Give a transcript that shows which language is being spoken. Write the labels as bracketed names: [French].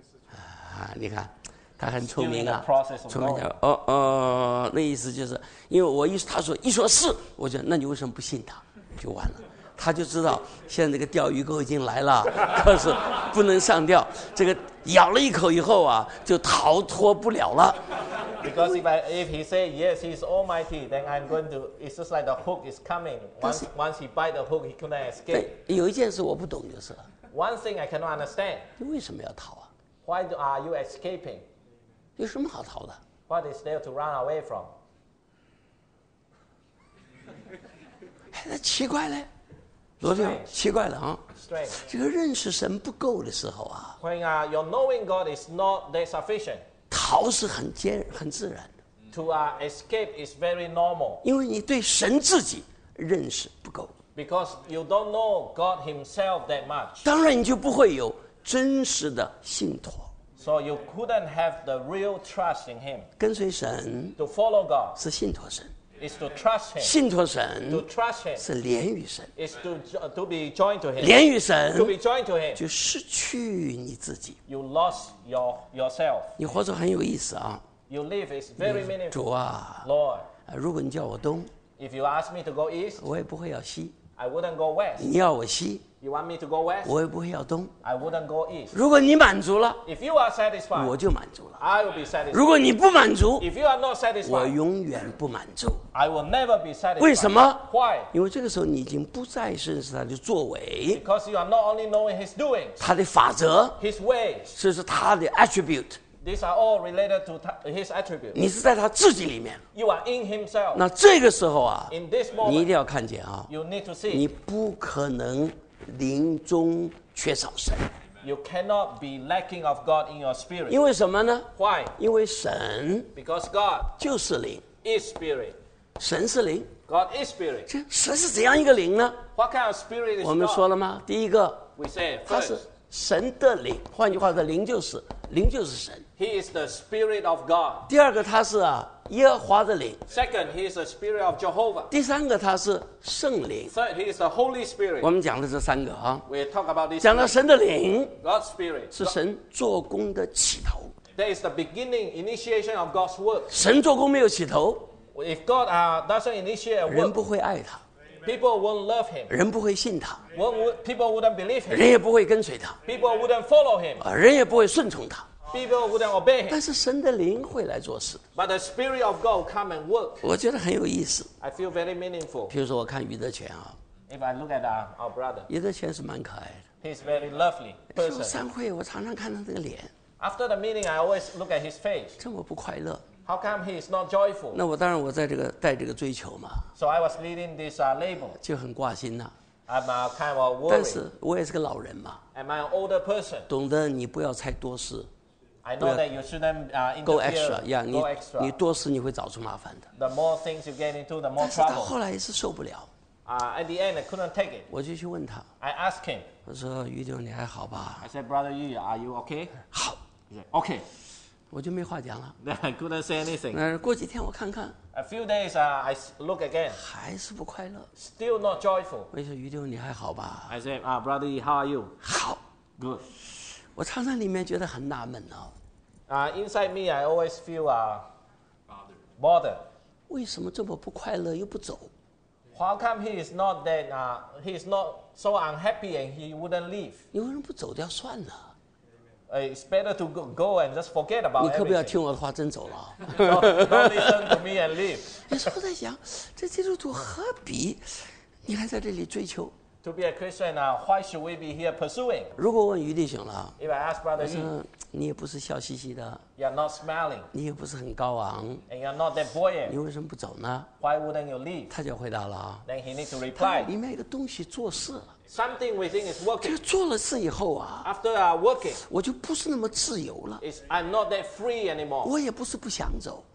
[Chinese] 啊，你看，他很聪明啊，聪明点。哦，那意思就是，因为他说是，我就那你为什么不信他，就完了。他就知道现在这个钓鱼钩已经来了，可是不能上钓。这个咬了一口以后啊，就逃脱不了了。 [English] Because if he say yes, he is almighty, then I'm going to. It's just like the hook is coming. Once he bite the hook, he couldn't escape. [Chinese] 有一件事我不懂就是了。 [English] One thing I cannot understand. [Chinese] 你为什么要逃啊？ [English] Why are you escaping? [Chinese] 有什么好逃的？ [English] What is there to run away from? [Chinese] 哎，那奇怪嘞，罗弟兄，奇怪了啊。 [English] Strange. [Chinese] 这个认识神不够的时候啊。 [English] When your knowing God is not that sufficient. [Chinese] 逃是很自然的。 [English] To escape is very normal. [Chinese] 因为你对神自己认识不够。 [English] Because you don't know God himself that much. [Chinese] 当然你就不会有真实的信托。 [English] So you couldn't have the real trust in him. [Chinese] 跟随神。 [English] To follow God. [Chinese] 是信托神。 [English] Is to trust him. [Chinese] 信托神。 [English] To trust him. [Chinese] 是连于神。 [English] Is to be joined to him. [Chinese] 连于神。 [English] To be joined to him. [Chinese] 就失去你自己。 [English] You lost yourself. [Chinese] 你活着很有意思啊。 [English] You live is very meaningful. [Chinese] 主啊。 [English] Lord. [Chinese] 如果你叫我东。 [English] If you ask me to go east. [Chinese] 我也不会要西。 [English] I wouldn't go west. [Chinese] 你要我西。 [English] You want me to go west? [Chinese] 我也不会要东。 [English] I wouldn't go east. [Chinese] 如果你满足了。 [English] If you are satisfied. [Chinese] 我就满足了。 [English] I will be satisfied. [Chinese] 如果你不满足。 [English] If you are not satisfied. [Chinese] 我永远不满足。 [English] I will never be satisfied. [Chinese] 为什么？ [English] Why? [Chinese] 因为这个时候你已经不再认识他的作为。 [English] Because you are not only knowing his doings. [Chinese] 他的法则。 [English] His ways. [Chinese] 这是他的 attribute。 [English] These are all related to his attributes. [Chinese] 你是在他自己里面。 [English] You are in himself. [Chinese] 那这个时候啊。 [English] In this moment. [Chinese] 你一定要看见啊。 [English] You need to see. [Chinese] 你不可能临终缺少神。 [English] You cannot be lacking of God in your spirit. [Chinese] 因为什么呢？ [English] Why? [Chinese] 因为神。 [English] Because God. [Chinese] 就是灵。 [English] Is spirit. [Chinese] 神是灵。 [English] God is spirit. [Chinese] 这神是怎样一个灵呢？ [English] What kind of spirit is God? [Chinese] 我们说了吗？第一个。 [English] We say first. 他 [Chinese] 是神的灵。换句话说，灵就是。灵就是神。 [English] He is the spirit of God. [Chinese] 第二个他是啊耶和华的灵。 [English] Second, he is the spirit of Jehovah. [Chinese] 第三个他是圣灵。 [English] Third, he is the Holy Spirit. [Chinese] 我们讲的这三个啊。 [English] We talk about this. [Chinese] 讲了神的灵。 [English] God's spirit. [Chinese] 是神做工的起头。 [English] That is the beginning initiation of God's work. [Chinese] 神做工没有起头。 [English] If God doesn't initiate work. [Chinese] 人不会爱他。 [English] People won't love him. [Chinese] 人不会信他。 [English] People wouldn't believe him. [Chinese] 人也不会跟随他。 [English] People wouldn't follow him. [Chinese] 人也不会顺从他。 [English] People wouldn't obey him. [Chinese] 但是神的灵会来做事。 [English] But the spirit of God will come and work. [Chinese] 我觉得很有意思。 [English] I feel very meaningful. [Chinese] 比如说我看余德全啊。 [English] If I look at our brother. [Chinese] 余德全是蛮可爱的。 [English] He's very lovely person. [Chinese] 有散会我常常看他的脸。 [English] After the meeting, I always look at his face. [Chinese] 这么不快乐。 [English] How come he is not joyful? [Chinese] 那我当然我在这个带这个追求嘛。 [English] So I was leading this label. [Chinese] 就很挂心呐。 [English] I'm kind of worried. [Chinese] 但是我也是个老人嘛。 [English] Am I an older person? [Chinese] 懂得你不要太多事。 [English] I know that you shouldn't interfere. Go extra, yeah. Go extra. [Chinese] 你多事你会找出麻烦的。 [English] The more things you get into, the more trouble. [Chinese] 但是他后来也是受不了。 [English] At the end, I couldn't take it. [Chinese] 我就去问他。 [English] I asked him. [Chinese] 我说余总你还好吧 [English] ？I said, Brother Yu, are you okay? [Chinese] 好。 [English] Yeah, okay. [Chinese] 我就没话讲了。 [English] Then I couldn't say anything. [Chinese] 过几天我看看。 [English] A few days, I look again. [Chinese] 还是不快乐。 [English] Still not joyful. [Chinese] 我说余总你还好吧 [English] ？I said, Brother Yu, how are you? [Chinese] 好。 [English] Good. [Chinese] 我常常里面觉得很纳闷哦。 [English] Inside me, I always feel bothered. [Chinese] 为什么这么不快乐又不走 [English] ？How come he is not that? He is not so unhappy and he wouldn't leave. [Chinese] 你为什么不走掉算了 [English] ？It's better to go and just forget about. [Chinese] 你可不要听我的话，真走了。 [English] Don't listen to me and leave. [Chinese] 有时候在想，这基督徒何必你还在这里追求？ [English] To be a Christian, why should we be here pursuing? [Chinese] 如果问余弟兄了 [English] ，If I ask brother, [Chinese] 我说你也不是笑嘻嘻的 [English] ，You are not smiling. [Chinese] 你也不是很高昂 [English] ，And you are not that buoyant. [Chinese] 你为什么不走呢 [English] ？Why wouldn't you leave? [Chinese] 他就回答了 [English] Then he needs to reply. [Chinese] 里面一个东西做事 [English] Something within is working. [Chinese] 这个做了事以后啊 [English] ，After working, [Chinese] 我就不是那么自由了 [English] ，It's I'm not that free anymore. [Chinese] 我也不是不想走